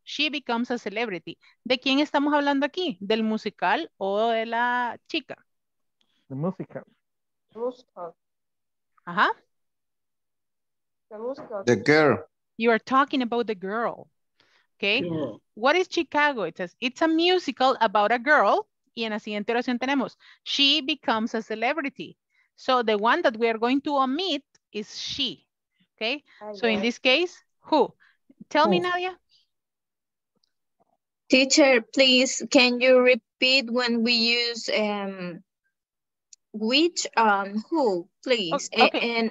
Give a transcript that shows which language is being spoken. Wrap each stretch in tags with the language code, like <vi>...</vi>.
<en>She becomes a celebrity.</en> <es>¿De quién estamos hablando aquí? ¿Del musical o de la chica?</es> <en>The musical. The musical. Ajá. The musical. The girl. You are talking about the girl. Okay. Girl. What is Chicago? It says, it's a musical about a girl.</en> <es>Y en la siguiente oración tenemos,</es> <en>she becomes a celebrity. So the one that we are going to omit is she. Okay, so in this case, who? Tell me, Nadia. Teacher, please, can you repeat when we use which, who, please? Okay.</en>